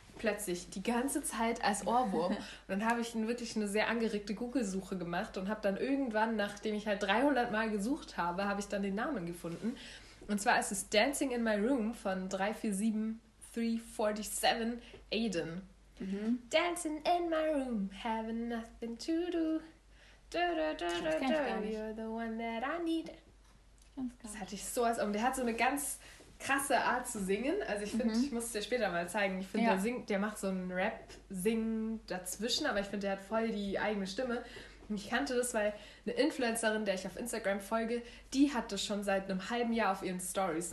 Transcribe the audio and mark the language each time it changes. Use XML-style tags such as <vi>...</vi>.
<de>Plötzlich die ganze Zeit als Ohrwurm. Und dann habe ich wirklich eine sehr angeregte Google-Suche gemacht und habe dann irgendwann, nachdem ich halt 300 Mal gesucht habe, habe ich dann den Namen gefunden. Und zwar ist es Dancing in My Room von 347-347 Aiden. Mhm.</de> <en>Dancing in my room, having nothing to do. You're the one that I need.</en> <de>Das hatte ich so als Ohrwurm. Der hat so eine ganz krasse Art zu singen. Also ich finde, ich muss es dir später mal zeigen. Ich finde, der singt, der macht so einen Rap-Sing dazwischen, aber ich finde, der hat voll die eigene Stimme. Ich kannte das, weil eine Influencerin, der ich auf Instagram folge, die hat das schon seit einem halben Jahr auf ihren Stories.</de>